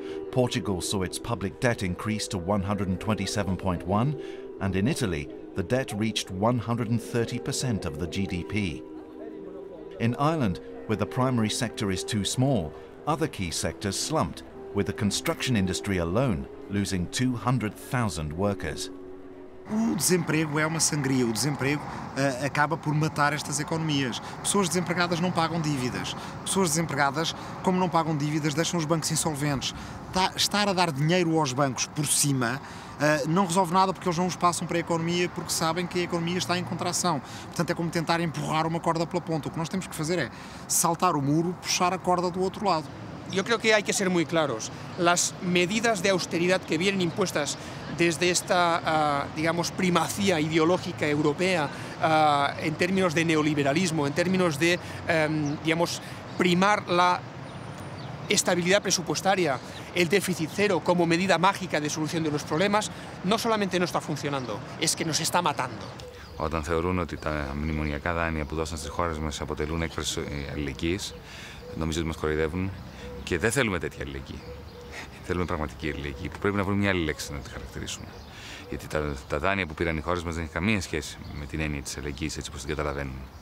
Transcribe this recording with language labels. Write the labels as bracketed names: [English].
[English] Portugal saw its public debt increase to 127.1, and in Italy, the debt reached 130% of the GDP. In Ireland, where the primary sector is too small, other key sectors slumped, with the construction industry alone losing 200,000 workers. [Portuguese] O desemprego é uma sangria, o desemprego acaba por matar estas economias. Pessoas desempregadas não pagam dívidas. Pessoas desempregadas, como não pagam dívidas, deixam os bancos insolventes. Estar a dar dinheiro aos bancos por cima não resolve nada porque eles não os passam para a economia porque sabem que a economia está em contração. Portanto, é como tentar empurrar uma corda pela ponta. O que nós temos que fazer é saltar o muro, puxar a corda do outro lado. [Spanish] yo creo que hay que ser muy claros. Las medidas de austeridad que vienen impuestas desde esta, digamos, primacía ideológica europea en términos de neoliberalismo, en términos de, digamos, primar la estabilidad presupuestaria, el déficit cero como medida mágica de solución de los problemas, no solamente no está funcionando, es que nos está matando. [Greek] Όταν θεωρούν ότι τα μνημονιακά δάνεια που δώσαν στις χώρες μας αποτελούν έκφραση αλληλεγγύης, νομίζω ότι μας κοροϊδεύουν και δεν θέλουμε τέτοια αλληλεγγύη. Θέλουμε πραγματική αλληλεγγύη που πρέπει να βρούμε μια άλλη λέξη να τη χαρακτηρίσουμε. Γιατί τα δάνεια που πήραν οι χώρες μας δεν είχαν καμία σχέση με την έννοια της αλληλεγγύης έτσι όπως την καταλαβαίνουν.